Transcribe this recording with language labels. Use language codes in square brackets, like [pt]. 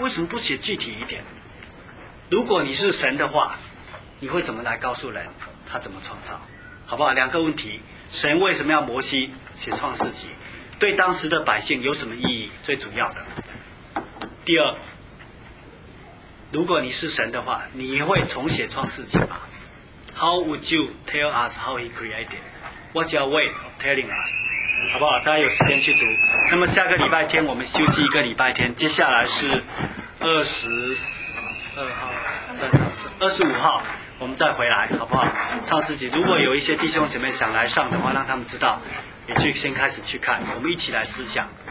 [zh] 为什么不写具体一点？如果你是神的话，你会怎么来告诉人他怎么创造？好不好？两个问题：神为什么要摩西写创世纪？对当时的百姓有什么意义？最主要的。第二，如果你是神的话，你会重写创世纪吗？ [en] How would you tell us how he created? What's your way of telling us? [zh] 好不好？大家有时间去读。那么下个礼拜天我们休息一个礼拜天，接下来是25号我们再回来，好不好？创世纪，如果有一些弟兄姐妹想来上的话，让他们知道，也去先开始去看，我们一起来思想。